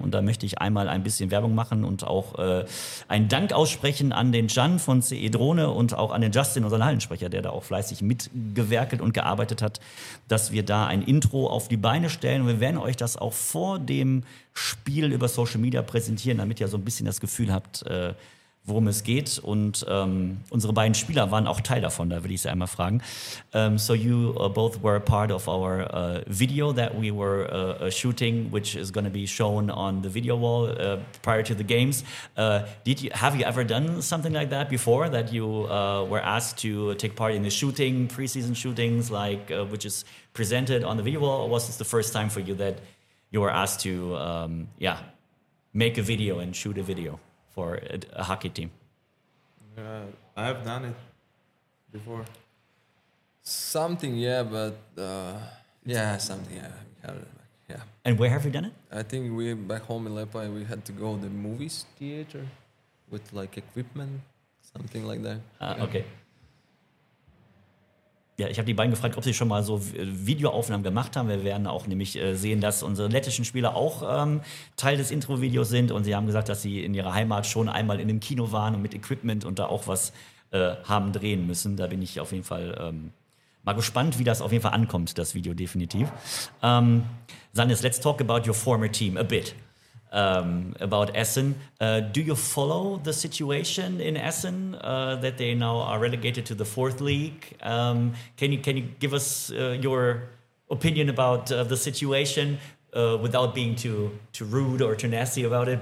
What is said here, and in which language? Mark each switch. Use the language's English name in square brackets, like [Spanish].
[German] Und da möchte ich einmal ein bisschen Werbung machen und auch einen Dank aussprechen an den Can von CE Drohne und auch an den Justin, unseren Hallensprecher, der da auch fleißig mitgewerkelt und gearbeitet hat, dass wir da ein Intro auf die Beine stellen. Und wir werden euch das auch vor dem Spiel über Social Media präsentieren, damit ihr so ein bisschen das Gefühl habt, worum es geht. Und unsere beiden Spieler waren auch Teil davon, da will ich sie einmal fragen. [English] So you both were part of our video that we were shooting, which is going to be shown on the video wall prior to the games. Have you ever done something like that before, that you were asked to take part in the shooting, preseason shootings, like which is presented on the video wall? Or was this the first time for you that you were asked to make a video and shoot a video for a hockey team? I have done it before. Something, yeah, but yeah, something, yeah. Yeah. And where have you done it? I think we back home in Lepai, we had to go to the movies theater with like equipment, something like that. Okay. [German] Ja, ich habe die beiden gefragt, ob sie schon mal so Videoaufnahmen gemacht haben. Wir werden auch nämlich sehen, dass unsere lettischen Spieler auch Teil des Intro-Videos sind. Und sie haben gesagt, dass sie in ihrer Heimat schon einmal in einem Kino waren und mit Equipment und da auch was haben drehen müssen. Da bin ich auf jeden Fall mal gespannt, wie das auf jeden Fall ankommt, das Video definitiv. [English] Sannes, let's talk about your former team a bit. About Essen. Do you follow the situation in Essen that they now are relegated to the fourth league? Can you give us your opinion about the situation without being too rude or too nasty about it?